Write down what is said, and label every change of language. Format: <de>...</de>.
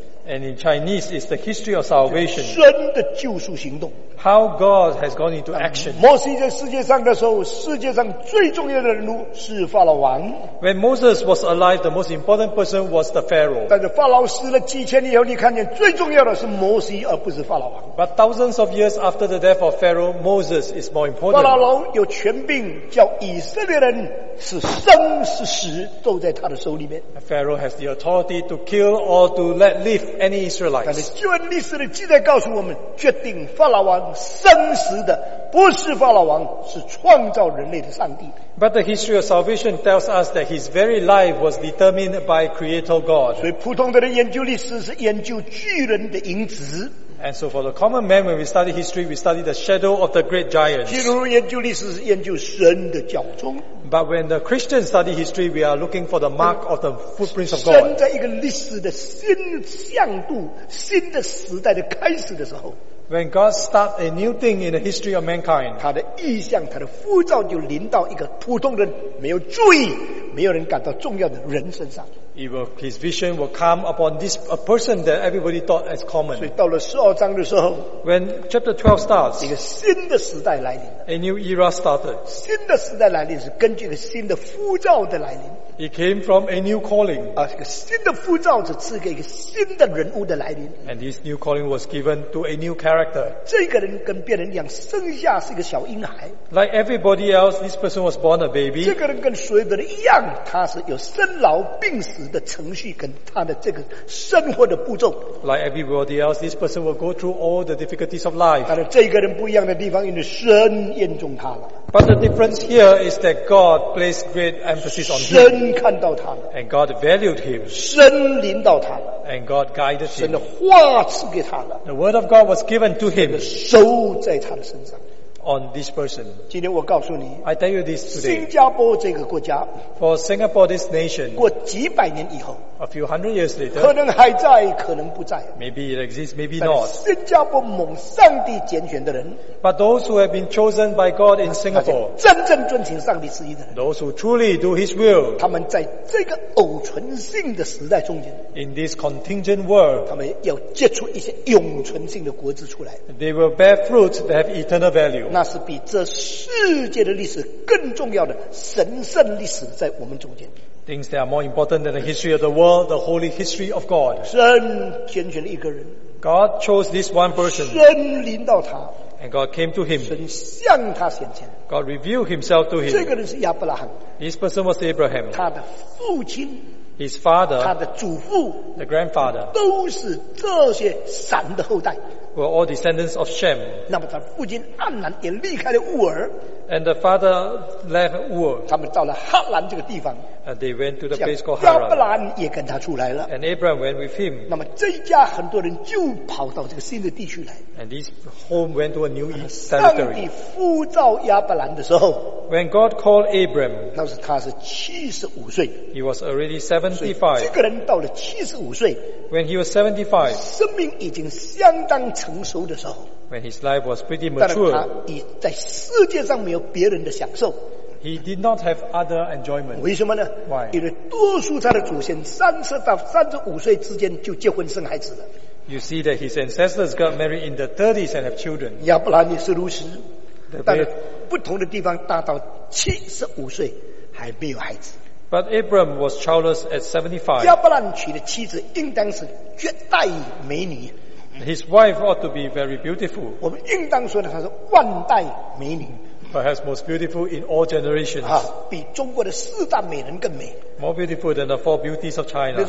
<en>And in Chinese, it's the history of salvation.</en> <zh>神的救赎行动。</zh> <en>How God has gone into action.</en> <zh>摩西在世界上的时候，世界上最重要的人物是法老王。</zh> <en>When Moses was alive, the most important person was the Pharaoh.</en> <zh>但是法老死了几千年以后，你看见最重要的是摩西，而不是法老王。</zh> <en>But thousands of years after the death of Pharaoh, Moses is more important.</en> <zh>法老王有权柄，叫以色列人是生是死都在他的手里面。</zh> <en>Pharaoh has the authority to kill or to let live any Israelites.</en> <zh>但是旧约历史的记载告诉我们，决定法老王。生死的不是法老王，是创造人类的上帝。</zh> <en>But the history of salvation tells us that his very life was determined by Creator God.</en> <zh>所以普通的人研究历史是研究巨人的影子。</zh> <en>And so for the common man, when we study history, we study the shadow of the great giants.</en> <zh>基督徒研究历史是研究神的脚踪。</zh> <en>But when the Christians study history, we are looking for the mark of the footprints of God.</en> <zh>神在一个历史的新向度、新的时代的开始的时候。</zh> <en>When God starts a new thing in the history of mankind,</en> <zh>他的意象、他的呼召就临到一个普通人没有注意、没有人感到重要的人身上。</zh> <en>His vision will come upon this a person that everybody thought as common.</en> <zh>所以到了十二章的时候</zh> <en>，When chapter 12 starts,</en> <zh>一个新的时代来临了。</zh> <en>A new era started.</en> <zh>新的时代来临是根据一个新的呼召的来临。</zh> <en>It came from a new calling.</en> <zh>啊，一个新的呼召是赐给一个新的人物的来临。</zh> <en>And this new calling was given to a new character.</en> <zh>这个人跟别人一样，生下是一个小婴孩。</zh> <en>Like everybody else, this person was born a baby.</en> <zh>这个人跟所有的人一样，他是有生老病死。的程序跟他的这个生活的步骤。</zh> <en>Like everybody else, this person will go through all the difficulties of life.</en> <zh>但是这个人不一样的地方，因为神眼中他了。</zh> <en>But the difference here is that God placed great emphasis on him.</en> <zh>神看到他了。</zh> <en>And God valued him.</en> <zh>神领导他了。</zh> <en>And God guided him.</en> <zh>神的话赐给他了。</zh> <en>The word of God was given to him.</en> <zh>收在他的身上。</zh> <en>On this person.</en> <zh>今天我告诉你</zh> <en>I tell you this today.</en> <zh>新加坡这个国家</zh> <en>For Singapore this nation.</en> <zh>过几百年以后</zh> <en>A few hundred years later.</en> <zh>可能还在可能不在</zh> <en>Maybe it exists maybe not.</en> <zh>新加坡蒙上帝拣选的人</zh> <en>But those who have been chosen by God in Singapore.</en> <zh>真正遵循上帝旨意的人</zh> <en>Those who truly do his will.</en> <zh>他们在这个偶存性的时代中间</zh> <en>In this contingent world.</en> <zh>他们要结出一些永存性的果子出来</zh> <en>They will bear fruit that have eternal value.</en> <zh>那是比这世界的历史更重要的神圣历史在我们中间。</zh> <en>Things that are more important than the history of the world, the holy history of God.</en> <zh>神拣选了一个人。</zh> <en>God chose this one person.</en> <zh>神临到他。</zh> <en>And God came to him.</en> <zh>神向他显现。</zh> <en>God revealed himself to him.</en> <zh>这个人是亚伯拉罕。</zh> <en>This person was Abraham.</en> <zh>他的父亲。</zh> <en>His father.</en> <zh>他的祖父。</zh> <en>The grandfather.</en> <zh>都是这些闪的后代。</zh> <en>Were all descendants of Shem.</en> <zh>那么他父亲暗兰也离开了乌尔。</zh> <en>And the father left Ur.</en> <zh>他们到了哈兰这个地方。</zh> <en>And they went to the place called Haran.</en> <zh>亚伯兰也跟他出来了。</zh> <en>And Abraham went with him.</en> <zh>那么这一家很多人就跑到这个新的地区来。</zh> <en>And this home went to a new territory.</en> <zh>上帝呼召亚伯兰的时候。</zh> <en>When God called Abraham.</en> <zh>那时他是75岁。</zh> <en>He was already 75.</en> <zh>这个人到了75岁。</zh> <en>When he was 75.</en> <zh>生命已经相当成熟的时候。</zh> <en>When his life was pretty mature,</en> <zh>但他已在世界上没有别人的享受。</zh> <en>He did not have other enjoyment.</en> <zh>为什么呢？</zh> <en>Why?</en> <zh>因为多数他的祖先30到35岁之间就结婚生孩子了。</zh> <en>You see that his ancestors got married in the 30s and have children.</en> <zh>亚伯兰也是如此，但是不同的地方，大到75岁还没有孩子。</zh> <en>But Abraham was childless at 75.</en> <zh>亚伯兰娶的妻子应当是绝代美女。</zh> <en>His wife ought to be very beautiful.</en> <zh>我们应当说呢，她是万代美女。</zh> <en>Perhaps most beautiful in all generations.</en> <zh>啊，比中国的四大美人更美。</zh> <en>More beautiful than the four beauties of China.</en>